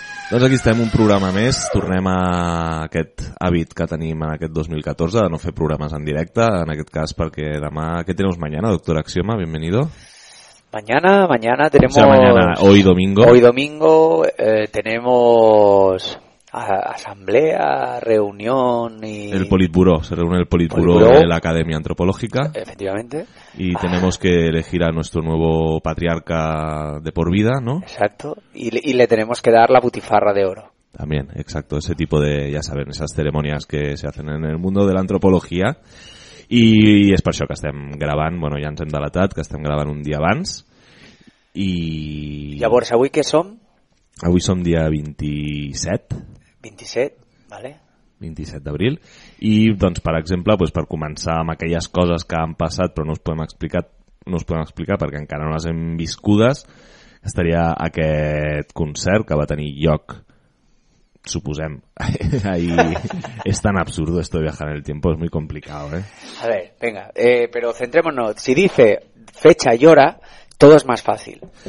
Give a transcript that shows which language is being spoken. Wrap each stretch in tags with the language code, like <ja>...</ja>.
<ca>Doncs aquí estem, un programa més. Tornem a aquest hàbit que tenim en aquest 2014 de no fer programes en directe, en aquest cas perquè demà... Què</ca> <es>tenemos mañana, doctor Axioma? Bienvenido. Mañana tenemos... O sea, mañana, hoy domingo. Hoy domingo tenemos asamblea, reunión y... El Politburó, se reúne el Politburó de la Academia Antropológica. Efectivamente. Y tenemos que elegir a nuestro nuevo patriarca de por vida, ¿no? Exacto, y le tenemos que dar la butifarra de oro. También, exacto, ese tipo de, ya saben, esas ceremonias que se hacen en el mundo de la antropología.</es> <ca>I és per això que estem gravant, bueno, ja ens hem delatat, que estem gravant un dia abans. I llavors, avui què som? Avui som dia 27. 27, vale. 27 d'abril. I, doncs, per exemple, doncs, per començar amb aquelles coses que han passat però no us podem explicar perquè encara no les hem viscudes, estaria aquest concert que va tenir lloc... Suposem.</ca> <es>Ahí es tan absurdo esto de viajar en el tiempo, es muy complicado, ¿eh? A ver, venga, pero centrémonos. Si dice fecha y hora, todo es más fácil.</es>